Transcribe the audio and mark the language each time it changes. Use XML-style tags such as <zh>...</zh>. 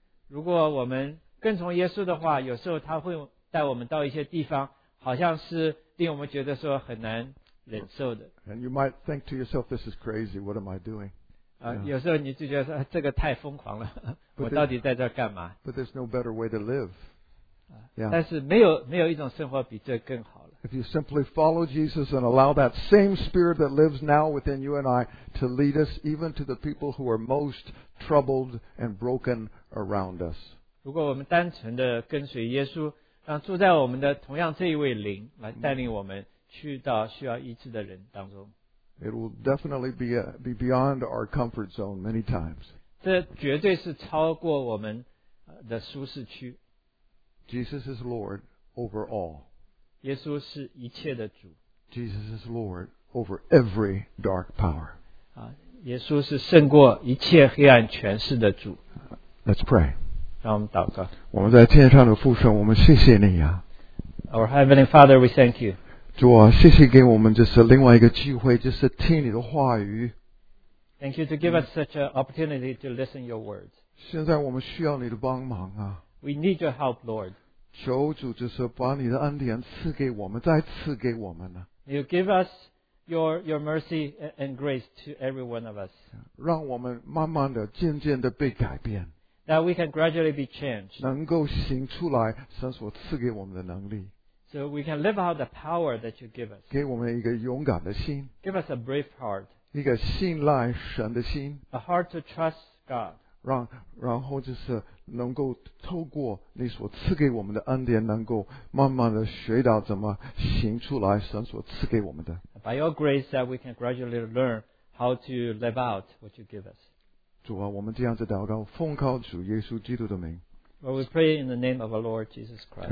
<zh>如果我们跟从耶稣的话，有时候他会带我们到一些地方，好像是令我们觉得说很难忍受的。</zh> <en>And you might think to yourself, this is crazy, what am I doing?</en> <zh>有时候你就觉得说这个太疯狂了，我到底在这干嘛？</zh> <en>But there's no better way to live. Yeah.</en> <zh>但是没有一种生活比这更好了。</zh> <en>If you simply follow Jesus and allow that same spirit that lives now within you and I to lead us even to the people who are most troubled and broken around us.</en> <zh>如果我们单纯的跟随耶稣，让住在我们的同样这一位灵来带领我们去到需要医治的人当中。</zh> <en>It will definitely be beyond our comfort zone many times.</en> <zh>这绝对是超过我们的舒适区。</zh> <en>Jesus is Lord over all.</en> <zh>耶稣是一切的主。</zh> <en>Jesus is Lord over every dark power.</en> <zh>耶稣是胜过一切黑暗权势的主。</zh> <en>Let's pray.</en> <zh>让我们祷告。我们在天上的父神，我们谢谢你啊。</zh> <en>Our heavenly Father, we thank you.</en> <zh>主啊，谢谢给我们就是另外一个机会，就是听你的话语。</zh> <en>Thank you to give us such an opportunity to listen your words.</en> <zh>现在我们需要你的帮忙啊。</zh> <en>We need your help, Lord.</en> <zh>求主就是把你的恩典赐给我们，再赐给我们啊。</zh> <en>You give us your mercy and grace to every one of us.</en> <zh>让我们慢慢的、渐渐的被改变。</zh> <en>That we can gradually be changed.</en> <zh>能够行出来神所赐给我们的能力。</zh> <en>So we can live out the power that you give us.</en> <zh>给我们一个勇敢的心。</zh> <en>Give us a brave heart.</en> <zh>一个信赖神的心。</zh> <en>A heart to trust God.</en> <zh>然后就是能够透过你所赐给我们的恩典，能够慢慢的学到怎么行出来神所赐给我们的。</zh> <en>By your grace that we can gradually learn how to live out what you give us.</en> <zh>主啊，我们这样子祷告，奉靠主耶稣基督的名。</zh> <en>Well, we pray in the name of our Lord Jesus Christ.</en>